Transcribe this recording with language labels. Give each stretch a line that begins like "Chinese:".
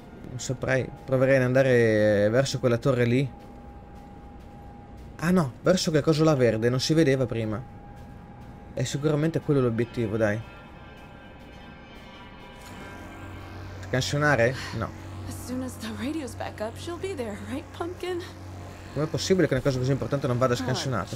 Italian: Non saprei. Proverei ad andare verso quella torre lì. Ah no, verso che cosa la verde? Non si vedeva prima. È sicuramente quello l'obiettivo, dai. Scansionare? No.
English: As soon as the radio's back up, she'll be there, right, Pumpkin?
Italian: Com'è possibile che una cosa così importante non vada scansionata?